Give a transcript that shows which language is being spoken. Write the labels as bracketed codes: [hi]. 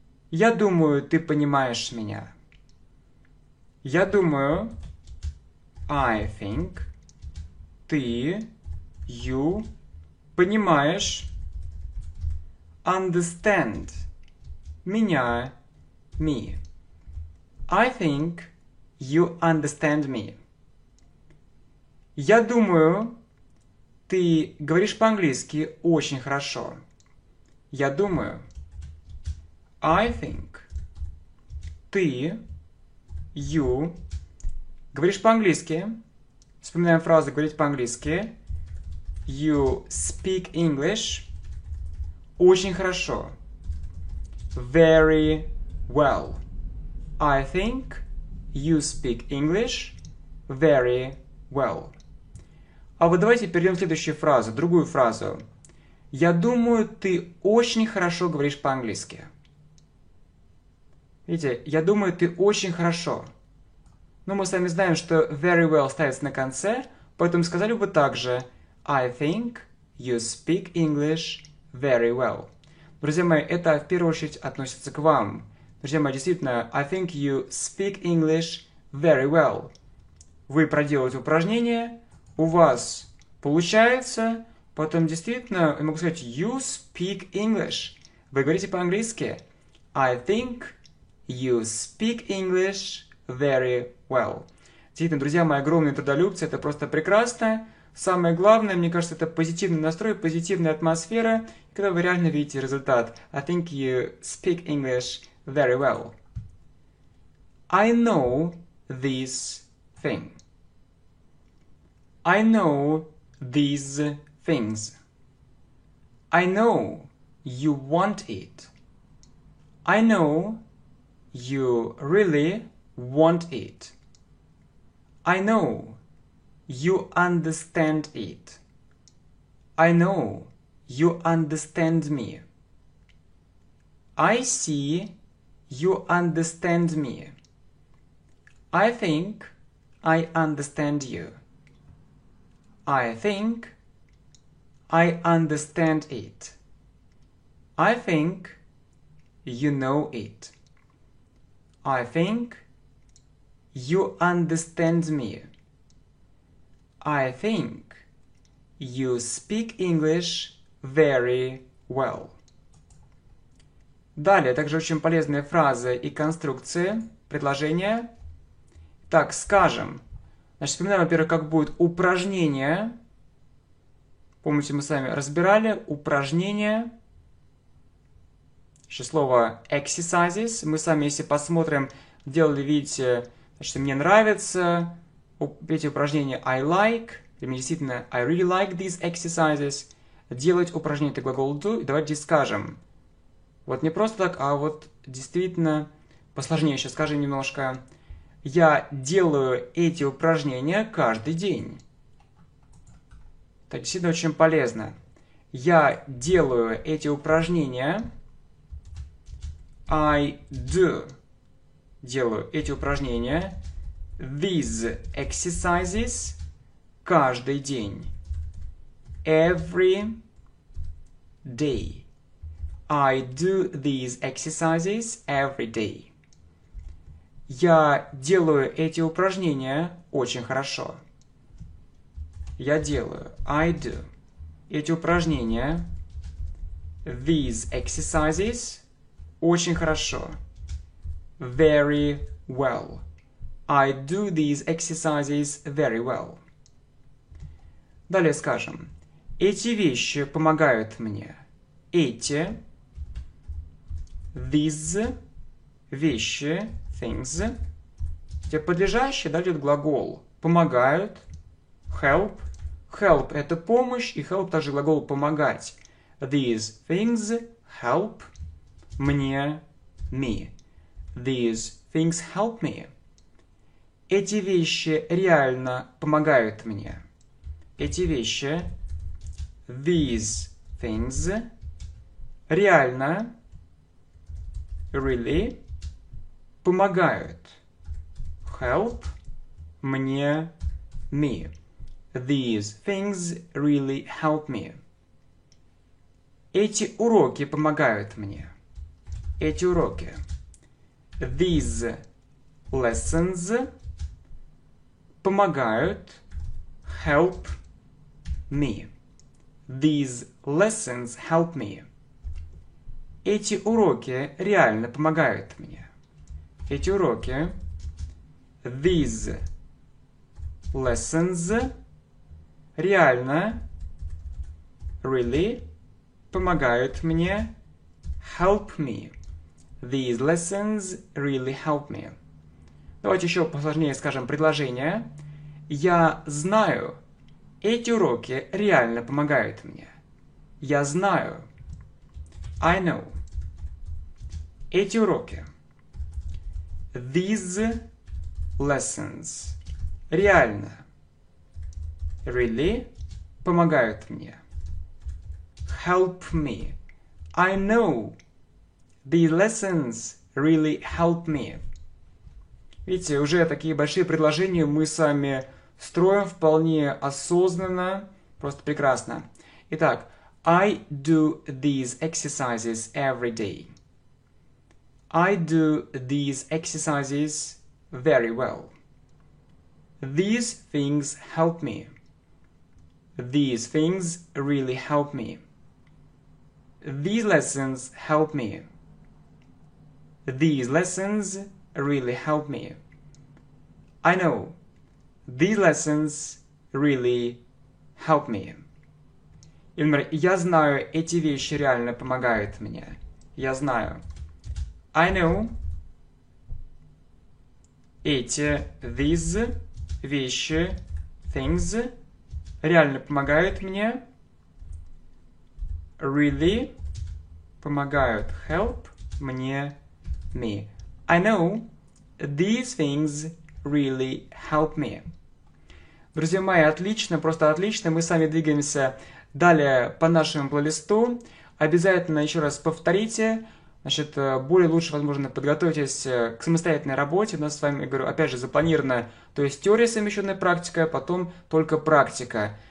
[ru] Я думаю, ты понимаешь меня. Я думаю, [en] I think, [ru] ты, [en] you, [ru] понимаешь, [en] understand, [ru] меня, [en] me. I think you understand me. [ru] Я думаю, ты говоришь по-английски очень хорошо. Я думаю. [en] I think. [ru] Ты. [en] You. [ru] Говоришь по-английски. Вспоминаем фразу «говорить по-английски». [en] You speak English. [ru] Очень хорошо. [en] Very well. I think you speak English very well. [ru] А вот давайте перейдем в следующую фразу, другую фразу. Я думаю, ты очень хорошо говоришь по-английски. Видите, я думаю, ты очень хорошо. Но мы с вами знаем, что [en] very well [ru] ставится на конце, поэтому сказали бы также [en] I think you speak English very well. [ru] Друзья мои, это в первую очередь относится к вам. Друзья мои, действительно, [en] I think you speak English very well. [ru] Вы проделываете упражнение, у вас получается, потом действительно, я могу сказать, you speak English. Вы говорите по-английски. [en] I think you speak English very well. [ru] Действительно, друзья мои, огромные трудолюбцы, это просто прекрасно. Самое главное, мне кажется, это позитивный настрой, позитивная атмосфера, когда вы реально видите результат. [en] I think you speak English very well. I know this thing. I know these things. I know you want it. I know you really want it. I know you understand it. I know you understand me. I see you understand me. I think I understand you. I think I understand it. I think you know it. I think you understand me. I think you speak English very well. [ru] Далее, также очень полезные фразы и конструкции, предложения. Так, скажем. Значит, вспоминаем, во-первых, как будет упражнение. Помните, мы с вами разбирали упражнение. Еще слово exercises. Мы с вами, если посмотрим, делали, видите, значит, мне нравится. Эти упражнения [en] I like. [ru] Для меня действительно [en] I really like these exercises. [ru] Делать упражнение это глагол do. Давайте здесь скажем. Вот не просто так, а вот действительно посложнее. Сейчас скажем немножко. Я делаю эти упражнения каждый день. Это действительно очень полезно. Я делаю эти упражнения. [en] I do. [ru] Делаю эти упражнения. [en] These exercises [ru] каждый день. [en] Every day. I do these exercises every day. [ru] Я делаю эти упражнения очень хорошо. Я делаю. [en] I do. [ru] Эти упражнения. [en] These exercises. [ru] Очень хорошо. [en] Very well. I do these exercises very well. [ru] Далее скажем. Эти вещи помогают мне. Эти. [en] These. [ru] Вещи. [en] Things. [ru] Где подлежащее, да, идет глагол. Помогают. [en] Help. [ru] Help – это помощь, и help – также глагол помогать. [en] These things help [ru] мне, [en] me. These things help me. [ru] Эти вещи реально помогают мне. Эти вещи. [en] These things. [ru] Реально. [en] Really. [ru] Помогают. [en] Help [ru] мне, [en] me. These things really help me. [ru] Эти уроки помогают мне. Эти уроки. [en] These lessons [ru] помогают [en] help me. These lessons help me. [ru] Эти уроки реально помогают мне. Эти уроки. [en] These lessons [ru] реально, [en] really, [ru] помогают мне, [en] help me. These lessons really help me. [ru] Давайте еще посложнее скажем предложение. Я знаю, эти уроки реально помогают мне. Я знаю. [en] I know. [ru] Эти уроки. [en] These lessons. [ru] Реально. [en] Really [ru] помогают мне. [en] Help me. I know. These lessons really help me. [ru] Видите, уже такие большие предложения мы с вами строим вполне осознанно. Просто прекрасно. Итак, [en] I do these exercises every day. I do these exercises very well. These things help me. These things really help me. These lessons help me. These lessons really help me. I know. These lessons really help me. [ru] И, например, я знаю, эти вещи реально помогают мне. Я знаю. [en] I know. [ru] Эти, [en] these, [ru] вещи, [en] things, [ru] реально помогают мне. [en] Really [ru] помогают. [en] Help [ru] мне. [en] Me. I know. These things really help me. [ru] Друзья мои, отлично, просто отлично. Мы с вами двигаемся далее по нашему плейлисту. Обязательно еще раз повторите. Значит, более лучше, возможно, подготовьтесь к самостоятельной работе. У нас с вами, говорю, опять же, запланировано, то есть теория, совмещенная практика, потом только практика.